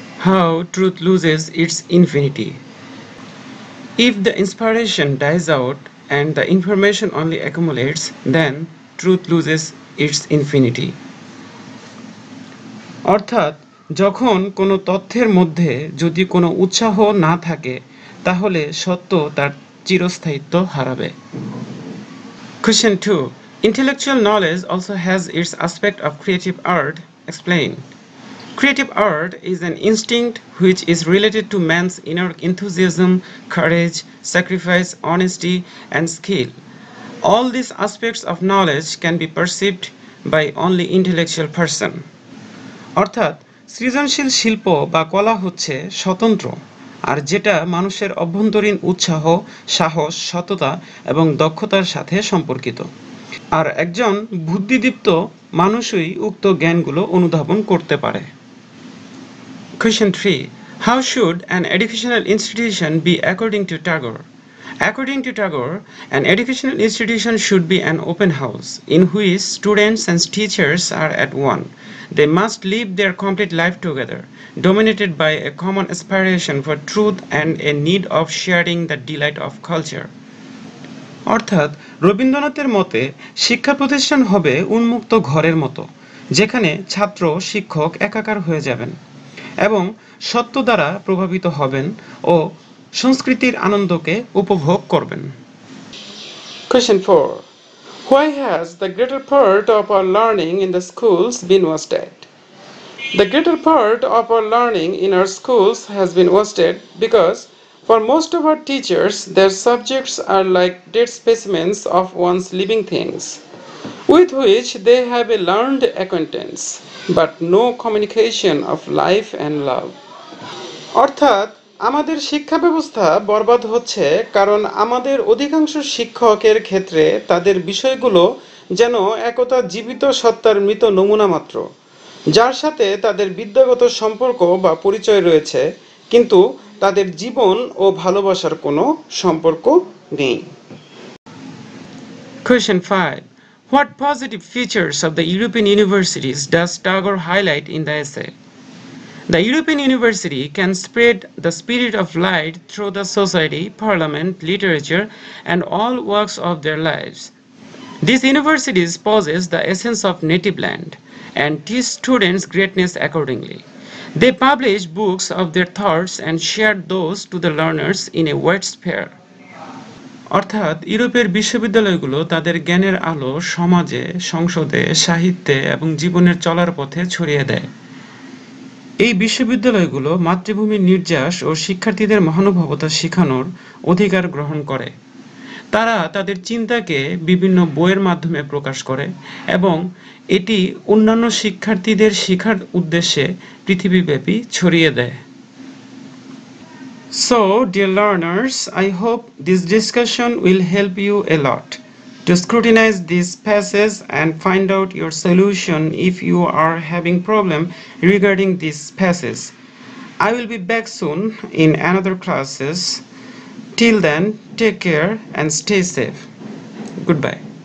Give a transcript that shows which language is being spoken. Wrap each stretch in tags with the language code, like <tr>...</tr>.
<en>How truth loses its infinity. If the inspiration dies out and the information only accumulates, then truth loses its infinity.</en> <bn>অর্থাৎ যখন কোনো তথ্যের মধ্যে যদি কোনো উৎসাহ না থাকে, তাহলে সত্য তার চিরস্থায়িত্ব হারাবে।</bn> <en>Question 2. Intellectual knowledge also has its aspect of creative art. Explain. Creative art is an instinct which is related to man's inner enthusiasm, courage, sacrifice, honesty, and skill. All these aspects of knowledge can be perceived by only intellectual person.</en> <bn>অর্থাৎ সৃজনশীল শিল্প বা কলা হচ্ছে স্বতন্ত্র, আর যেটা মানুষের অভ্যন্তরীণ উৎসাহ, সাহস, সততা এবং দক্ষতার সাথে সম্পর্কিত। আর একজন বুদ্ধিদীপ্ত মানুষই উক্ত জ্ঞানগুলো অনুধাবন করতে পারে।</bn> <en>Question 3. How should an educational institution be according to Tagore? According to Tagore, an educational institution should be an open house in which students and teachers are at one. They must live their complete life together, dominated by a common aspiration for truth and a need of sharing the delight of culture.</en> <bn>অর্থাৎ রবীন্দ্রনাথের মতে শিক্ষা প্রতিষ্ঠান হবে উন্মুক্ত ঘরের মতো, যেখানে ছাত্র শিক্ষক একাকার হয়ে যাবেন এবং সত্য দ্বারা প্রভাবিত হবেন ও সংস্কৃতির আনন্দকে উপভোগ করবেন।</bn> <en>Question 4. Why has the greater part of our learning in the schools been wasted? The greater part of our learning in our schools has been wasted because for most of our teachers, their subjects are like dead specimens of one's living things, with which they have a learned acquaintance, but no communication of life and love.</en> <bn>অর্থাৎ আমাদের শিক্ষা ব্যবস্থা বরবাদ হচ্ছে কারণ আমাদের অধিকাংশ শিক্ষকের ক্ষেত্রে তাদের বিষয়গুলো যেন একতা জীবিত সত্তার মৃত নমুনা মাত্র, যার সাথে তাদের বিদ্যাগত সম্পর্ক বা পরিচয় রয়েছে কিন্তু তাদের জীবন ও ভালোবাসার কোনো সম্পর্ক নেই।</bn> <en>Question 5. What positive features of the European universities does Tagore highlight in the essay? The European university can spread the spirit of light through the society, parliament, literature, and all walks of their lives. These universities possess the essence of native land and teach students greatness accordingly. They publish books of their thoughts and share those to the learners in a wide sphere.</en> <bn>অর্থাৎ ইউরোপের বিশ্ববিদ্যালয়গুলো তাদের জ্ঞানের আলো সমাজে, সংসদে, সাহিত্যে এবং জীবনের চলার পথে ছড়িয়ে দেয়। এই বিশ্ববিদ্যালয়গুলো মাতৃভূমির নির্যাস ও শিক্ষার্থীদের মহানুভবতা শেখানোর অধিকার গ্রহণ করে। তারা তাদের চিন্তাকে বিভিন্ন বইয়ের মাধ্যমে প্রকাশ করে এবং এটি অন্যান্য শিক্ষার্থীদের শিক্ষার উদ্দেশ্যে পৃথিবীব্যাপী ছড়িয়ে দেয়।</bn> <en>So, dear learners, I hope this discussion will help you a lot to scrutinize these passages and find out your solution if you are having problem regarding these passages. I will be back soon in another classes. Till then, take care and stay safe. Goodbye.</en>